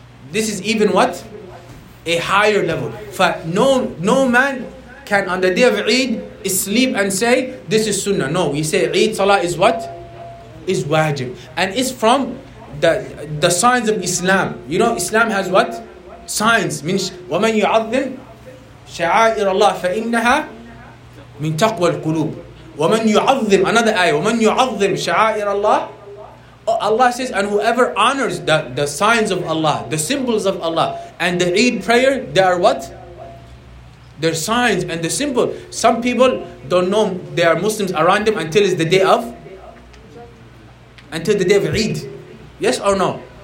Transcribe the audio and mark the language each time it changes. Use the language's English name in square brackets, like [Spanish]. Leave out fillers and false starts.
[English] This is even what? A higher level. No man can on the day of Eid sleep and say, this is sunnah. No, we say Eid salah is what? Is wajib. And it's from the signs of Islam. You know, Islam has what? Signs. [Arabic] Means, وَمَنْ يُعَظِّمْ شَعَائِرَ اللَّهِ فَإِنَّهَا مِنْ تَقْوَى الْقُلُوبِ وَمَنْ يُعَظِّمْ [English] Another ayah. [Arabic] وَمَنْ يُعَظِّمْ شَعَائِرَ اللَّهِ [English] Allah says, and whoever honors the signs of Allah, the symbols of Allah, and the Eid prayer, they are what? They're signs and the symbol. Some people don't know they are Muslims around them until it's the day of? Until the day of Eid. Yes or no?